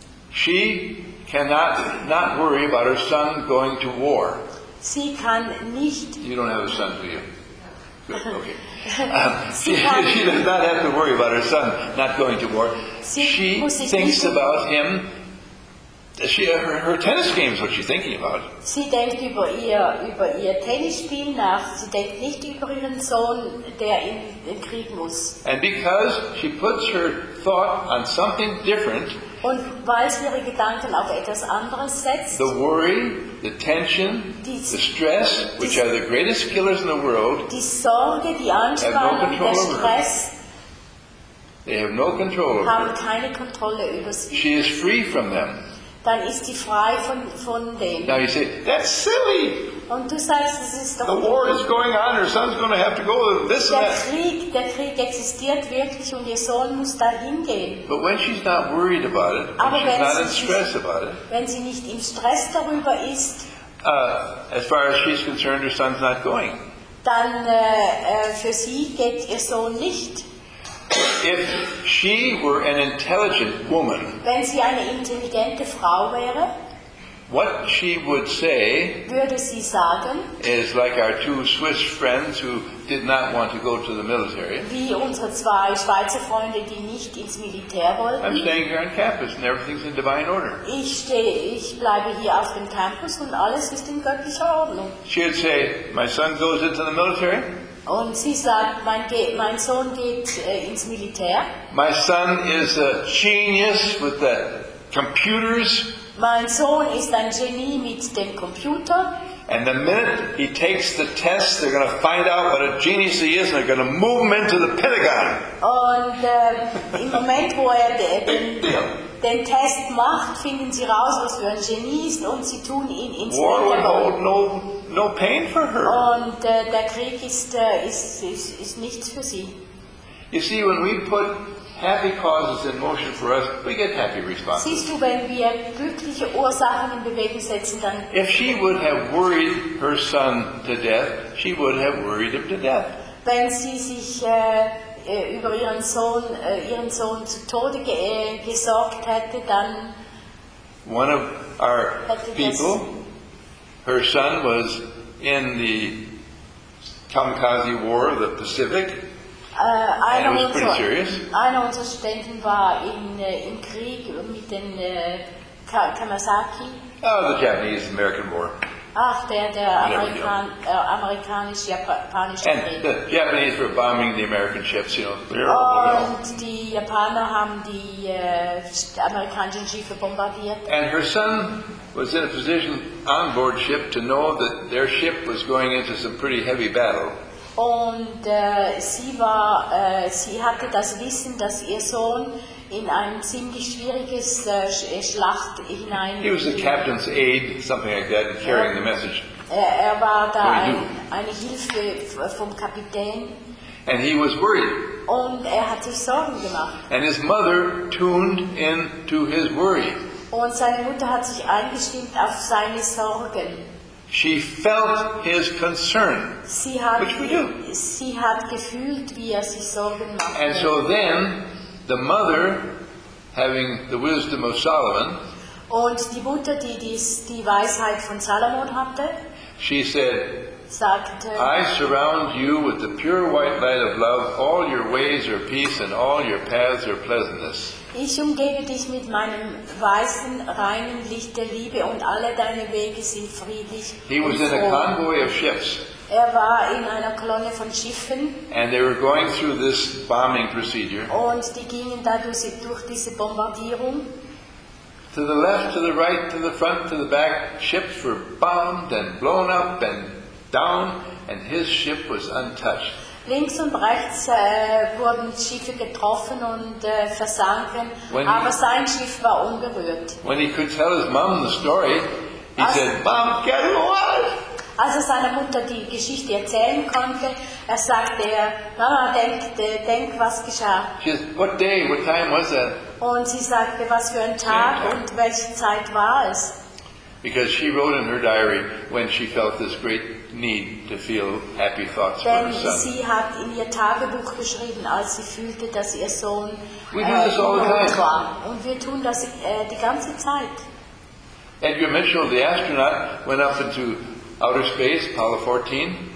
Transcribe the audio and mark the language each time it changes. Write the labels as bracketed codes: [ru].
[en] She cannot not worry about her son going to war. [de] Sie kann nicht. [en] You don't have a son, do you? Good. Okay. she does not have to worry about her son not going to war. She thinks about him. Her tennis game is what she's thinking about. [de] Sie denkt über ihr Tennisspiel nach. Sie denkt nicht über ihren Sohn, der in den Krieg muss. [en] And because she puts her thought on something different. [de] Und weil sie ihre Gedanken auf etwas anderes setzt. [en] The worry, the tension, the stress, which are the greatest killers in the world. [de] Die Sorge, die Anspannung, [en] no [de] der Stress. [en] They have no control over. [de] Haben keine Kontrolle über sie. [en] She is free from them. [de] Dann ist sie frei von dem. [en] Now you say, that's silly. [de] Und du sagst, das ist doch [en] the war is going on, her son's going to have to go this and that. [de] Der Krieg existiert wirklich und ihr Sohn muss da hingehen. [en] But when she's not worried about it, [de] aber [en] when she's not in stress about it, [de] wenn sie nicht im Stress darüber ist, [en] as far as she's concerned, her son's not going. [de] Dann für sie geht ihr Sohn nicht. [en] If she were an intelligent woman, [de] wenn sie eine intelligente Frau wäre, [en] what she would say [de] würde sie sagen, [en] is like our two Swiss friends who did not want to go to the military. [de] Wie unsere zwei Schweizer Freunde, die nicht ins Militär wollten. [en] I'm staying here on campus and everything's in divine order. [de] Ich bleibe hier auf dem Campus und alles ist in göttlicher Ordnung. [en] She would say, my son goes into the military. [de] Und sie sagt, mein Sohn geht ins Militär. [en] My son is a genius with the computers. [de] Mein Sohn ist ein Genie mit dem Computer. [en] And the minute he takes the test, they're going to find out what a genius he is, and they're going to move him into the Pentagon. [de] Und im Moment, wo er den Test macht, finden sie raus, was für ein Genie ist, und sie tun ihn ins [en] war [de] Pentagon. [en] No pain for her. [de] Und der Krieg ist nichts für sie. [en] You see, when we put happy causes in motion for us, we get happy responses. [de] Siehst du, wenn wir glückliche Ursachen in Bewegung setzen, dann. [en] If she would have worried her son to death, she would have worried him to death. [de] Wenn sie sich über ihren Sohn zu Tode gesorgt hätte, dann. [en] One of our people. Her son was in the Kamikaze War of the Pacific. And it was pretty serious. [de] Einer unserer Studenten war im Krieg mit den Kamikaze. [en] Oh, the Japanese-American War. [de] Ach, der amerikanisch-japanische Krieg. [en] And the Japanese were bombing the American ships, you know. [de] Und die Japaner haben die amerikanischen Schiffe bombardiert. [en] And her son was in a position on board ship to know that their ship was going into some pretty heavy battle. [de] Und sie war, sie hatte das Wissen, dass ihr Sohn in ein ziemlich schwieriges Schlacht hinein. [en] He was the captain's aide, something like that, carrying the message. [de] Er war da eine Hilfe vom Kapitän. [en] And he was worried. [de] Und hat sich Sorgen gemacht. [en] And his mother tuned into his worry. [de] Und seine Mutter hat sich eingestimmt auf seine Sorgen. [en] She felt his concern. [de] Sie hat, [en] which we do. [de] Sie hat gefühlt, wie sich Sorgen machte. [en] And so then, the mother, having the wisdom of Solomon, [de] und die Mutter, die Weisheit von Salomon hatte, she said, sagte, [en] I surround you with the pure white light of love. All your ways are peace and all your paths are pleasantness. [de] Ich umgebe dich mit meinem weißen, reinen Licht der Liebe und alle deine Wege sind friedlich. [en] He was in a convoy of ships. [de] War in einer Kolonne von Schiffen. [en] And they were going through this bombing procedure. [de] Und die gingen dadurch durch diese Bombardierung. [en] To the left, to the right, to the front, to the back, ships were bombed and blown up and down, and his ship was untouched. [de] Links und rechts wurden Schiffe getroffen und versanken, aber sein Schiff war ungerührt. [en] When he could tell his mom the story, he said, Mom, get away! [de] Als seiner Mutter die Geschichte erzählen konnte, sagte Mama, denk, was geschah. [en] She said, what day, what time was that? [de] Und sie sagte, was für ein Tag und welche Zeit war es? [en] Because she wrote in her diary when she felt this great need to feel happy thoughts for her son. [de] Denn sie hat in ihr Tagebuch geschrieben, als sie fühlte, dass ihr Sohn glücklich war. Und wir tun das die ganze Zeit. [en] Edgar Mitchell, the astronaut, went up into outer space, Apollo 14.